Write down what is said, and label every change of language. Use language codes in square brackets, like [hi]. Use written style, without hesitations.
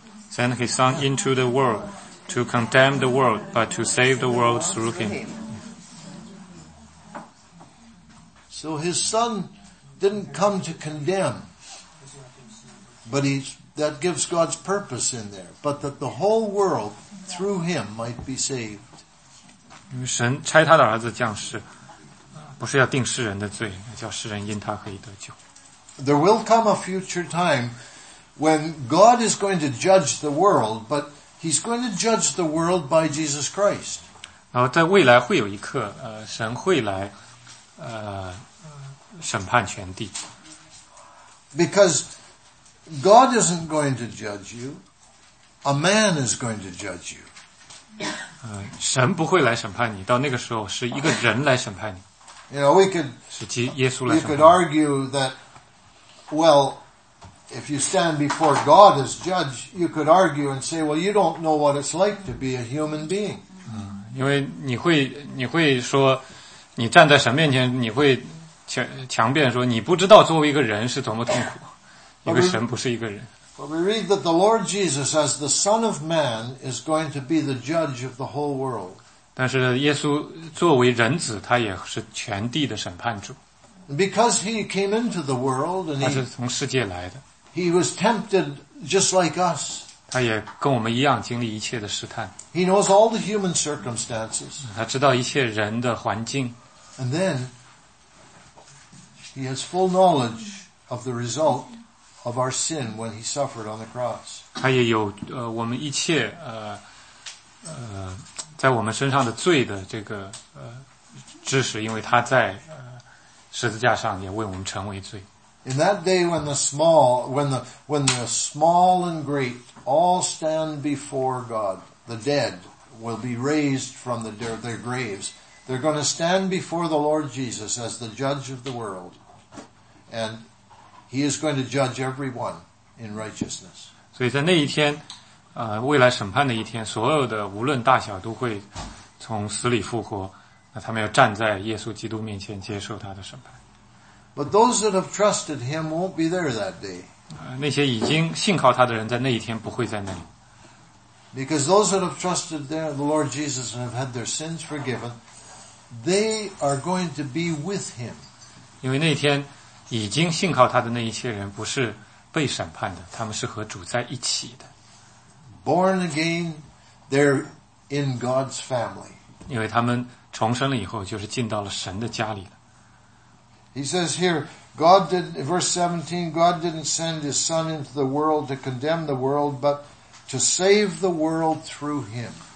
[en] Sent his son into the world to condemn the world, but to save the world through him. So his son didn't come to condemn, but that gives God's purpose in there, but that the whole world through him might be saved. [zh] 因为神差他的儿子降世，不是要定世人的罪，叫世人因他可以得救。 [en] There will come a future time when God is going to judge the world, but He's going to judge the world by Jesus Christ. [zh] 然后在未来会有一刻，神会来，审判全地。 [en] Because God isn't going to judge you, a man is going to judge you. [zh] 神不会来审判你，到那个时候是一个人来审判你。 [en] You know, we could [zh] 是耶稣来审判。 [en] You could argue that. Well, if you stand before God as judge, you could argue and say, well, you don't know what it's like to be a human being. [zh] 因为你会说你站在神面前，你会强辩说你不知道作为一个人是多么痛苦，因为神不是一个人。 [en] But we read that the Lord Jesus as the Son of Man is going to be the judge of the whole world. [zh] 但是耶稣作为人子，他也是全地的审判主。 [en] Because he came into the world, and [zh] 他是从世界来的。 [en] He was tempted just like us. [zh] 他也跟我们一样经历一切的试探。 [en] He knows all the human circumstances. [zh] 他知道一切人的环境。 [en] And then he has full knowledge of the result of our sin when he suffered on the cross. [zh] 他也有我们一切在我们身上的罪的这个知识，因为他在。十字架上也为我们成为罪。 [en] In that day when the small and great all stand before God, the dead will be raised from their graves. They're going to stand before the Lord Jesus as the judge of the world. And He is going to judge everyone in righteousness. [zh] 所以在那一天，未来审判的一天，所有的无论大小都会从死里复活，那他们要站在耶稣基督面前接受他的审判。 [en] But those that have trusted him won't be there that day. [zh] 那些已经信靠他的人在那一天不会在那里。 [en] Because those that have trusted the Lord Jesus and have had their sins forgiven, they are going to be with him. [zh] 因为那天已经信靠他的那一些人不是被审判的，他们是和主在一起的。 [en] Born again, they're in God's family. [zh] 因为他们重生了以后，就是进到了神的家里了。 [en] He says here, God did, verse 17, God didn't send his son into the world to condemn the world, but to save the world through him.